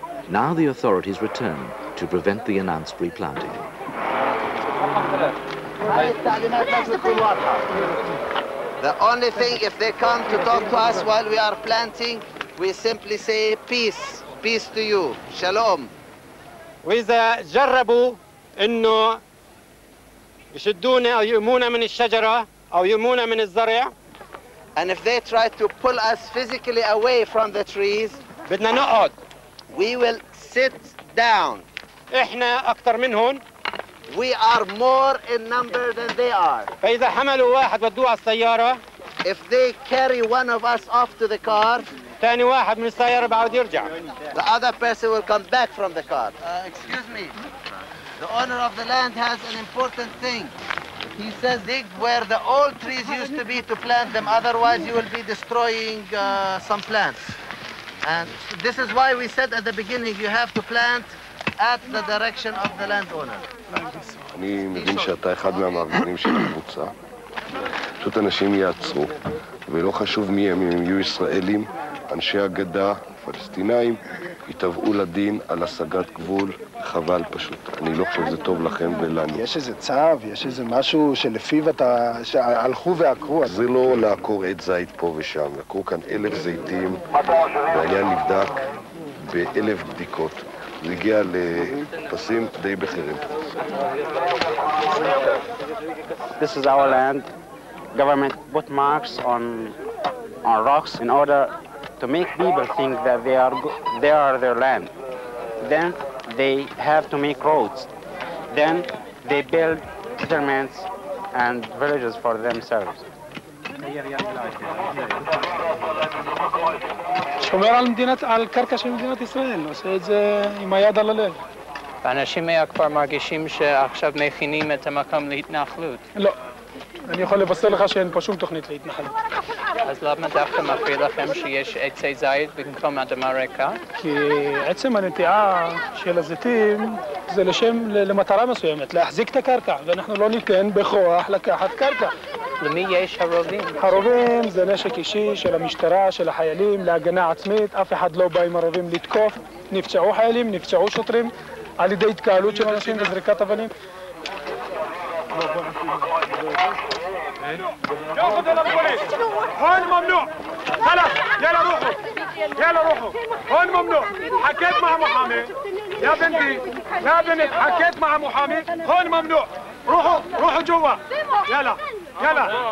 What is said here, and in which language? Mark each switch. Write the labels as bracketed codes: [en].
[en] Now the authorities return to prevent the announced replanting. The only thing, if they come to talk to us while we are planting, we simply say peace, peace to you, shalom. [ar] وإذا جربوا إنه يشدونا أو يؤمونا من الشجرة أو يؤمونا من الزرع. [en] And if they try to pull us physically away from the trees, [ar] بدنا نقعد. [en] We will sit down. [ar] إحنا أكثر منهم. [en] We are more in number than they are. [ar] فإذا حملوا واحد ودوه على السيارة. [en] If they carry one of us off to the car, [ar] ثاني واحد من السيارة بعود يرجع. [en] The other person will come back from the car. Excuse me. The owner of the land has an important thing. He says dig where the old trees used to be to plant them, otherwise you will be destroying some plants. And this is why we said at the beginning you have to plant at the direction of the landowner. [he] אני מבין שאתה אחד מהמעבירים של הקבוצה. פשוט אנשים יעצרו, ולא חשוב מי הם, אם הם יהיו ישראלים, אנשי הגדה, פלסטינאים, יתבעו לדין על השגת גבול, חבל פשוט. אני לא חושב שזה טוב לכם ולנו. יש איזה צו, יש איזה משהו שלפיו אתה, שהלכו ועקרו. זה לא לעקור עץ זית פה ושם, עקרו כאן 1,000 זיתים, והעניין נבדק ב-1,000 בדיקות. זה הגיע לפסים די בכירים. [en] This is our land. Government put marks on rocks in order to make people think that they are their land. Then they have to make roads. Then they build settlements and villages for themselves. [he] שומר על מדינת, על קרקע של מדינת ישראל, עושה את זה עם היד על הלב. אנשים מהכפר מרגישים שעכשיו מכינים את המקום להתנחלות. לא, אני יכול לבשר לך שאין פה שום תוכנית להתנחלות. אז למה דווקא מפריע לכם שיש עצי זית במקום אדמה ריקה? כי עצם הנטיעה של הזיתים זה לשם, למטרה מסוימת, להחזיק את הקרקע, ואנחנו לא ניתן בכוח לקחת קרקע. למי יש הרובים? הרובים זה נשק אישי של המשטרה, של החיילים, להגנה עצמית, אף אחד לא בא עם הרובים לתקוף. נפצעו חיילים, נפצעו שוטרים, על ידי התקהלות של אנשים וזריקת אבנים. [ar] ياخذ البوليس هون ممنوع يلا يلا روحوا يلا روحوا هون ممنوع حكيت مع محامي يا بنتي يا بنت حكيت مع محامي هون ممنوع روحوا روحوا جوا يلا يلا